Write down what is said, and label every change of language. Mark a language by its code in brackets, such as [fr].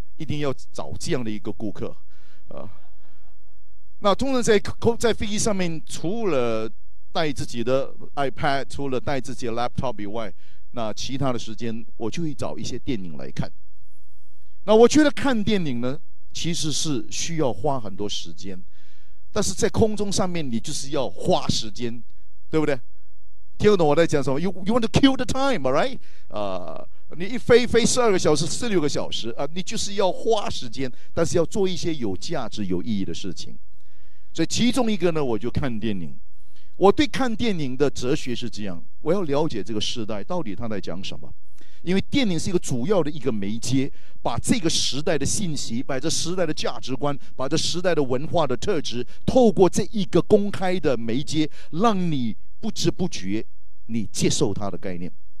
[zh] 一定要找这样的一个顾客，那通常在飞机上面，除了带自己的 iPad， 除了带自己的 laptop 以外，那其他的时间我就会找一些电影来看。那我觉得看电影呢，其实是需要花很多时间。但是在空中上面，你就是要花时间，对不对？听懂我在讲什么 [en] ？You want to kill the time, right？ [zh] 你一飞12个小时、16个小时啊，你就是要花时间，但是要做一些有价值、有意义的事情。所以其中一个呢，我就看电影。我对看电影的哲学是这样：我要了解这个时代到底他在讲什么。因为电影是一个主要的一个媒介，把这个时代的信息，把这时代的价值观，把这时代的文化的特质，透过这一个公开的媒介，让你不知不觉你接受它的概念。